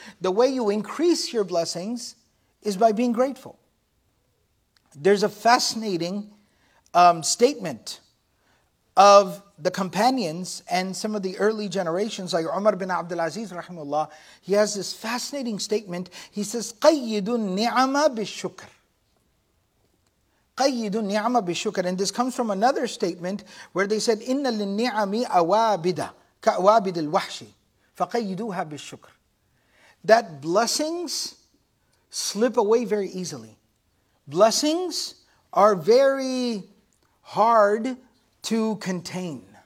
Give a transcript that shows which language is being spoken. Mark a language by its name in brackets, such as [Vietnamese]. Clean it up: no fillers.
[English] The way you increase your blessings is by being grateful. There's a fascinating statement of the companions and some of the early generations, like Umar bin Abdul Aziz, rahimullah, he has this fascinating statement. [Arabic] He says, قَيِّدُ النِّعَمَ بِالشُّكْرِ. قَيِّدُ النِّعَمَ بِالشُّكْرِ. [English] And this comes from another statement where they said, [Arabic] إِنَّ لِلنِّعَمِ أَوَابِدَ كَأَوَابِدِ الْوَحْشِ فَقَيِّدُوهَا بِالشُّكْرِ. [English] That blessings slip away very easily. Blessings are very hard to contain.